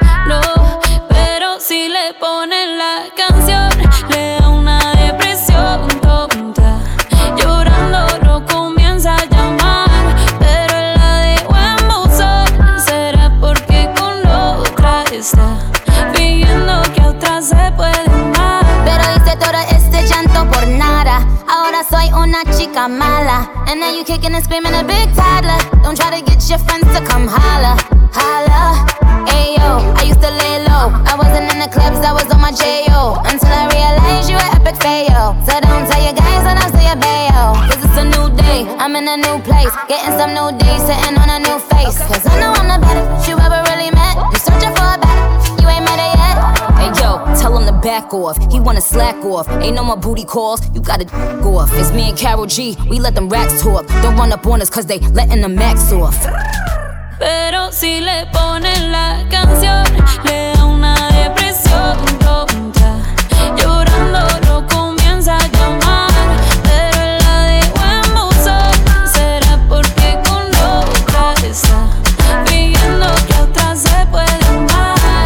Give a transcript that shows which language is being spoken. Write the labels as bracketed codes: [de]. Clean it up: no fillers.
[es] No, pero si le ponen la canción, le da una depresión tonta. Llorando lo comienza a llamar. Pero la dejó en buzón. Será porque con otra está fingiendo que a otra se puede amar. Pero hice todo este llanto por nada. Ahora soy una chica mala. [en] And now you kicking and screaming a big toddler. Don't try to get your friends to come holla. Holla. Ayo, I used to lay low. I wasn't in the clubs, I was on my J-O. Until I realized you an epic fail. So don't tell your guys when I say a bayo. Cause it's a new day, I I'm in a new place, getting some new days, sitting on a new face. Cause I know I'm the baddest you ever really met. You're searching for a baddest, you ain't met her yet. Hey yo, tell him to back off, he wanna slack off. Ain't no more booty calls, you gotta go off. It's me and Carol G, we let them racks talk. Don't run up on us cause they letting the max off. [es] Pero si le ponen la canción, le da una depresión tonta. Llorando lo comienza a llamar, pero la dejó en buzón. Será porque con otra está pidiendo que otra se puede amar.